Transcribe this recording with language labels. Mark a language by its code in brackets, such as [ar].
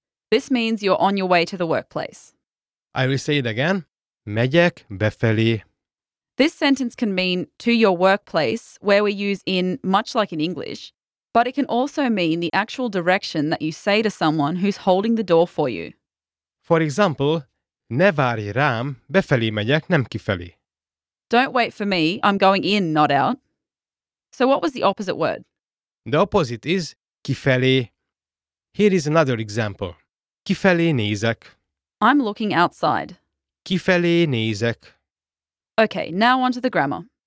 [en] This means you're on your way to the workplace. I will say it again. [hu] Megyek befelé. [en] This sentence can mean to your workplace, where we use in much like in English, but it can also mean the actual direction that you say to someone who's holding the door for you. For example, [hu] ne várj rám, befelé megyek, nem kifelé. [en] Don't wait for me, I'm going in, not out. So what was the opposite word? The opposite is kifelé. Here is another example. [hu] Kifelé nézek. [en] I'm looking outside. [hu] Kifelé nézek. [en] Okay, now on to the grammar.